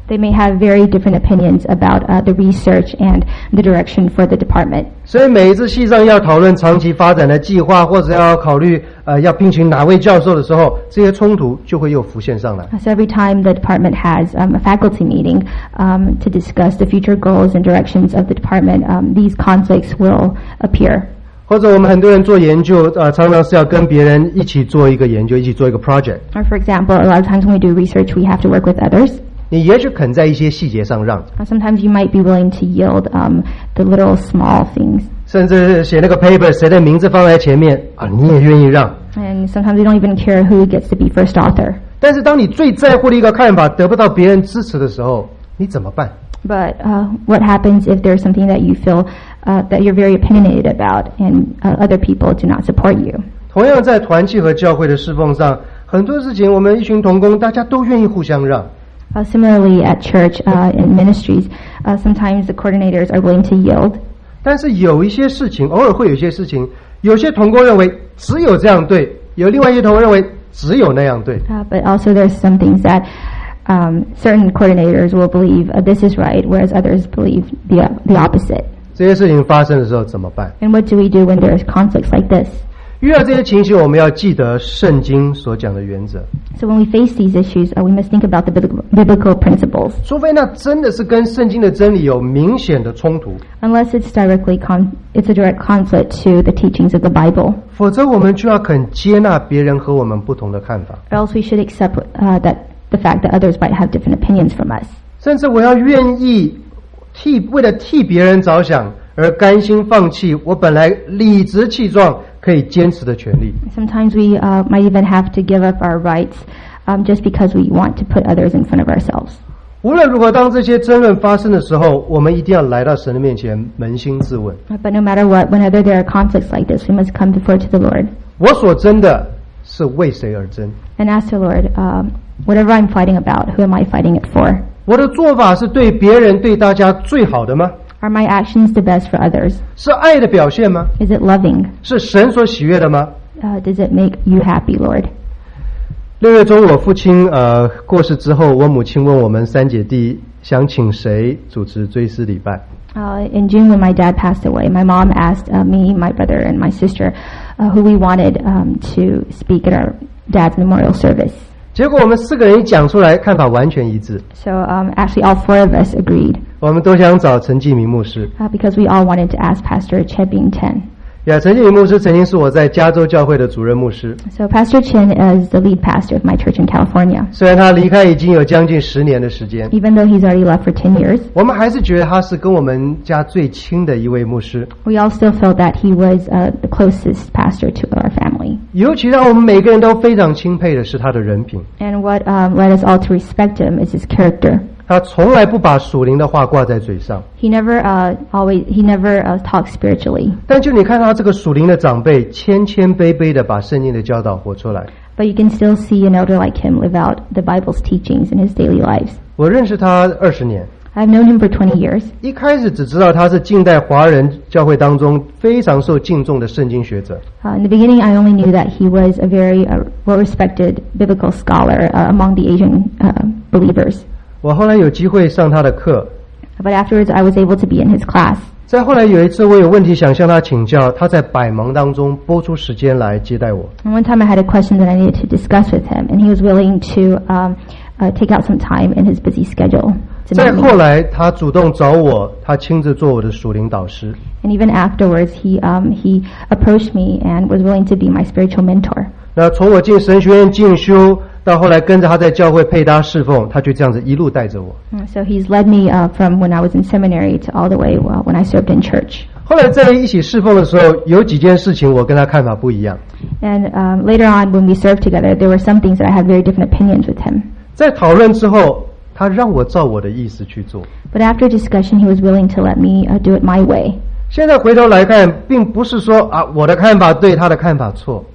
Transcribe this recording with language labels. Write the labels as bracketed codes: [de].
[en] They may have very different opinions about the research and the direction for the department. [zh] 所以每一次系上要讨论长期发展的计划，或者要考虑要聘请哪位教授的时候，这些冲突就会又浮现上来。 [en] So every time the department has a faculty meeting to discuss the future goals and directions of the department, these conflicts will appear. [zh] 或者我们很多人做研究常常是要跟别人一起做一个研究，一起做一个 project。 [en] Or for example, a lot of times when we do research, we have to work with others. [zh] 你也许肯在一些细节上让。 [en] Sometimes you might be willing to yield the little small things. [zh] 甚至写那个 paper, 谁的名字放在前面你也愿意让。 [en] And sometimes you don't even care who gets to be first author. [zh] 但是当你最在乎的一个看法得不到别人支持的时候，你怎么办？ [en] But what happens if there's something that you feel that you're very opinionated about and other people do not support you? [zh] 同样在团契和教会的侍奉上，很多事情我们一群同工大家都愿意互相让。 [en] Similarly at church in ministries, sometimes the coordinators are willing to yield. [zh] 但是有一些事情，偶尔会有些事情，有些同工认为只有这样对，有另外一些同工认为只有那样对。 [en] But also there's some things that certain coordinators will believe this is right, whereas others believe the opposite. [zh] 这些事情发生的时候怎么办？ [en] And what do we do when there is conflicts like this? [zh] 遇到这些情形，我们要记得圣经所讲的原则。 [en] So when we face these issues, we must think about the biblical principles. [zh] 除非那真的是跟圣经的真理有明显的冲突。 [en] Unless it's a direct conflict to the teachings of the Bible. [zh] 否则我们就要肯接纳别人和我们不同的看法。 [en] Or else we should accept that. The fact that others might have different opinions from us. [zh] 甚至我要愿意替为了替别人着想而甘心放弃我本来理直气壮可以坚持的权利。 [en] Sometimes we might even have to give up our rights just because we want to put others in front of ourselves. [zh] 无论如何，当这些争论发生的时候，我们一定要来到神的面前，扪心自问。 [en] But no matter what, whenever there are conflicts like this, we must come before to the Lord. [zh] 我所争的是为谁而争 [en] ？And ask the Lord. Whatever I'm fighting about, who am I fighting it for? [zh] 我的做法是对别人对大家最好的吗？ [en] Are my actions the best for others? [zh] 是爱的表现吗？ [en] Is it loving? [zh] 是神所喜悦的吗？ [en] Does it make you happy, Lord? [zh] 六月中我父亲过世之后，我母亲问我们三姐弟想请谁主持追思礼拜。 [en] In June when my dad passed away, my mom asked me, my brother and my sister who we wanted to speak at our dad's memorial service. [zh] 结果我们四个人一讲出来，看法完全一致。 [en] So actually, all four of us agreed. [zh] 我们都想找陈继明牧师。 [en] Because we all wanted to ask Pastor Chen Bingtan. [zh] Yeah, 陈继明牧师曾经是我在加州教会的主任牧师。 [en] So Pastor Chen is the lead pastor of my church in California. [zh] 虽然他离开已经有将近十年的时间。 [en] Even though he's already left for 10 years. [zh] 我们还是觉得他是跟我们家最亲的一位牧师。 [en] We all still felt that he was the closest pastor to our family. [zh] 尤其让我们每个人都非常钦佩的是他的人品。 [en] And what led us all to respect him is his character. [zh] 他从来不把属灵的话挂在嘴上。 [en] He never talks spiritually. [zh] 但就你看他这个属灵的长辈，谦谦卑卑的把圣经的教导活出来。 [en] But you can still see an elder like him live out the Bible's teachings in his daily lives. [zh] 我认识他20年。 [en] I've known him for 20 years. [zh] 一开始只知道他是近代华人教会当中非常受敬重的圣经学者。 [en] In the beginning, I only knew that he was a very well-respected biblical scholar among the Asian believers. [zh] 我后来有机会上他的课。 [en] But afterwards, I was able to be in his class. [zh] 再后来有一次我有问题想向他请教，他在百忙当中拨出时间来接待我。 [en] And one time I had a question that I needed to discuss with him, and he was willing to take out some time in his busy schedule. [zh] 再后来他主动找我，他亲自做我的属灵导师。 [en] And even afterwards he approached me and was willing to be my spiritual mentor. [zh] 那从我进神学院进修到后来跟着他在教会配搭侍奉，他就这样子一路带着我。 [en] So he's led me from when I was in seminary to all the way when I served in church. [zh] 后来在一起侍奉的时候，有几件事情我跟他看法不一样。 [en] And later on when we served together, there were some things that I had very different opinions with him. [zh] 在讨论之后他让我照我的意思去做。 [en] But after discussion, he was willing to let me do it my way. [zh] 现在回头来看，并不是说我的看法对他的看法错。